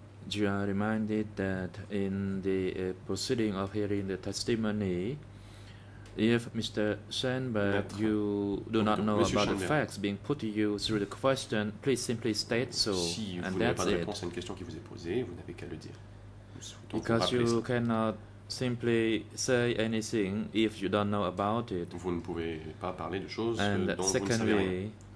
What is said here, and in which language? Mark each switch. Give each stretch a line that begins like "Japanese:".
English: You are reminded that in the proceeding of hearing the testimony, if Mr. Schoenberg, you do not know about the facts being put to you through the question, please simply state so, and that's it.
French: Si vous n'avez pas de réponse à une question qui vous est posée, vous n'avez qu'à le dire.
English: Because you cannot simply say anything if you don't know about it.
French: Vous ne pouvez pas parler de choses dont vous ne savez rien.